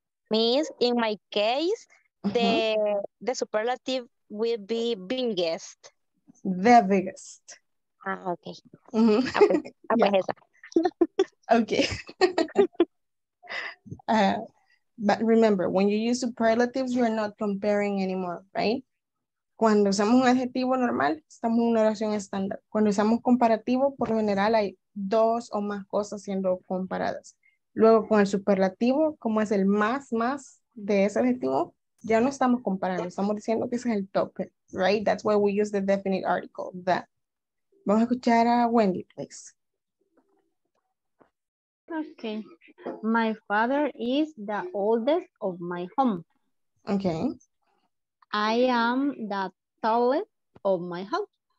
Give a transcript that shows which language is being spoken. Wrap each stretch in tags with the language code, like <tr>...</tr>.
<en>Miss, in my case, mm-hmm. the superlative will be biggest. The biggest. Ah, okay. Mm-hmm. Okay. But remember, when you use superlatives, you're not comparing anymore, right?</en> <es>Cuando usamos un adjetivo normal, estamos en una oración estándar. Cuando usamos comparativo, por lo general hay dos o más cosas siendo comparadas. Luego, con el superlativo, como es el más de ese adjetivo, ya no estamos comparando, estamos diciendo que ese es el tope, right?</es> <en>That's why we use the definite article, that.</en> <es>Vamos a escuchar a Wendy, please.</es> <en>Okay. My father is the oldest of my home. Okay. I am the tallest of my house.</en>